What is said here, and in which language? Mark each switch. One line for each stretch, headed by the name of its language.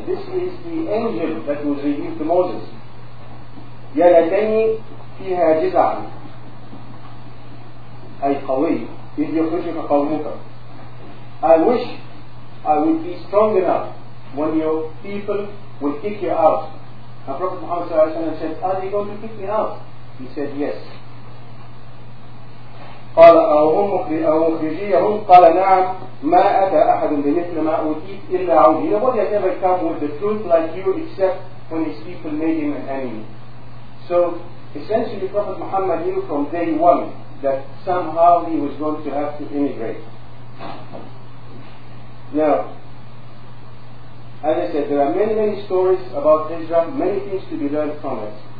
English: This is the angel that was revealed to Moses.
Arabic: "Ya laytani fiha jiz'an ay qawi idh yukhrijuka qawmuka."
English: I wish I would be strong enough when your people will kick you out. And Prophet Muhammad sallallahu alaihi wasallam said, "Are they going to kick me out?" He said, "Yes."
Arabic: قال أهم مخرجيهم قال نعم ما أتى أحد بمثل ما أوتيت إلا عودي.
English: Nobody has ever come with the truth like you except when his people made him an enemy. So essentially Prophet Muhammad knew from day one that somehow he was going to have to immigrate. Now, as I said, there are many, many stories about hijrah, many things to be learned from it.